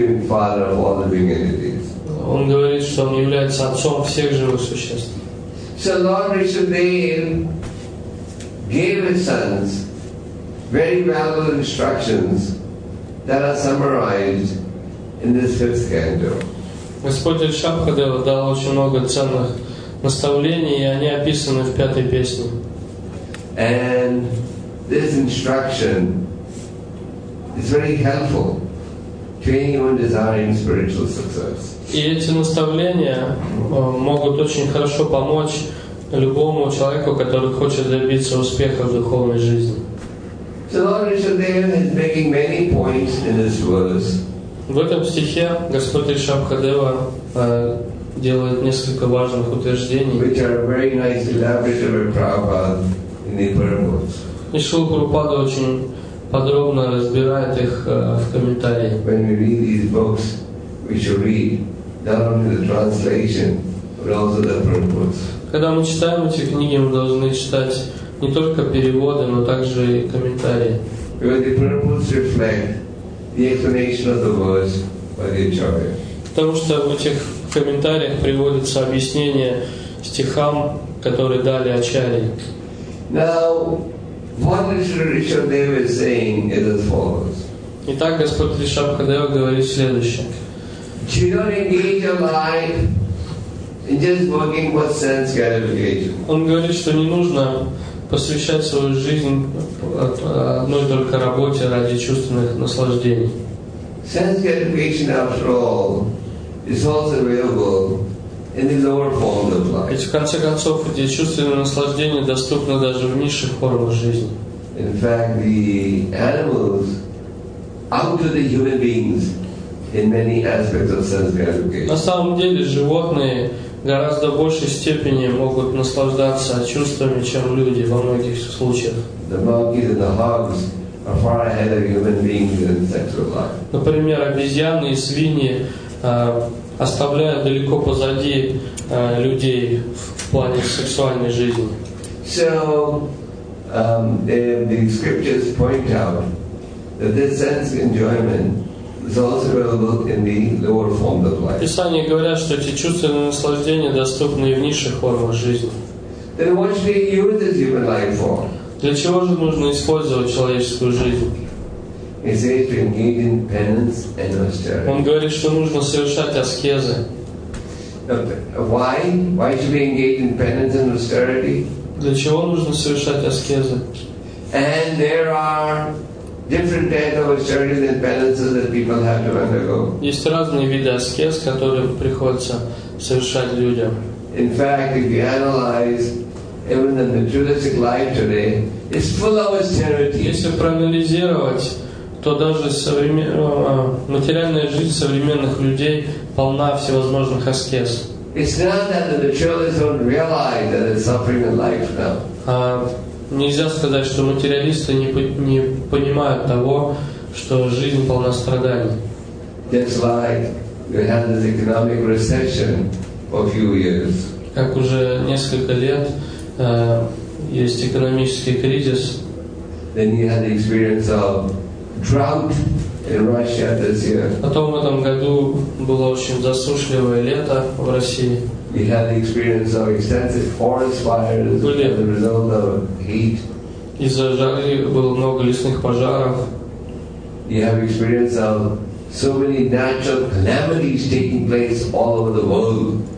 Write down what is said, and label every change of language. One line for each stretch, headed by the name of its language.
Russian: Он говорит, что он является отцом всех живых существ.
English: So Lord Rishabhadeva gave his sons very valuable instructions that are summarized in this fifth canto.
Russian: Господь Ришабхадева дал очень много ценных наставлений, и они описаны в пятой песне.
English: And this instruction is very helpful to anyone desiring spiritual success.
Russian: И эти наставления могут очень хорошо помочь любому человеку, который хочет добиться успеха в духовной жизни.
English: So Lord Rishabhadeva is making many points in this verse.
Russian: В этом стихе Господь Ришабхадева делает несколько важных утверждений.
English: Which are very nice elaborated by Prabhupada in the Purports.
Russian: И Шрила Прабхупада очень подробно разбирает их в комментарии.
English: When we read these books, we should read not only the translation, but also the Purports.
Russian: Когда мы читаем эти книги, мы должны читать не только переводы, но также и комментарии.
English: Because the Purports reflect the explanation of the words by the Acharya.
Russian: Потому что в этих комментариях приводится объяснение стихам, которые дали Ачарьи.
English: Now, what Ришабхадева is saying is as follows.
Russian: Итак, Господь Ришабхадева говорит следующее.
English: You don't engage your life in just working for sense gratification.
Russian: Он говорит, что не нужно посвящать свою жизнь одной только работе ради чувственных наслаждений.
English: Sense gratification, after all, is also available in the lower forms of life.
Russian: Ведь в конце концов, эти чувственные наслаждения доступны даже в низших формах жизни.
English: In fact, the animals outdo the human beings in many aspects of sense gratification.
Russian: На самом деле, животные гораздо большей степени могут наслаждаться чувствами, чем люди во многих случаях.
English: The monkeys and the hogs are far ahead of human beings in sexual life.
Russian: Например, обезьяны и свиньи оставляют далеко позади людей в плане сексуальной жизни.
English: So, the scriptures point out that this sense enjoyment is also available in the lower forms of life.
Russian: Писания говорят, что эти чувственные наслаждения доступны и в низших формах жизни.
English: Then what should we use this human life for?
Russian: Для чего же нужно использовать человеческую жизнь?
English: He says to engage in penance and austerity.
Russian: Он говорит, что нужно совершать аскезы.
English: Why? Why should we engage in penance and austerity?
Russian: Для чего нужно совершать аскезы?
English: And there are different kinds of austerities and penances that people have to undergo.
Russian: Есть разные виды аскез, которые приходится совершать людям.
English: In fact, if you analyze even the materialistic life today, it's full of austerity.
Russian: Если проанализировать, то даже материальная жизнь современных людей полна всевозможных аскез.
English: It's not that the materialists don't realize that they're suffering in life now.
Russian: Нельзя сказать, что материалисты не понимают того, что жизнь полна страданий.
English: Just like we had this economic recession for a few years.
Russian: Как уже несколько лет есть экономический кризис.
English: Then you had the experience of drought in Russia this year.
Russian: Потом в этом году было очень засушливое лето в России.
English: We had the experience of extensive forest fires as a result of heat.
Russian: Из-за жары было много лесных пожаров.
English: We have experience of so many natural calamities taking place all over the world.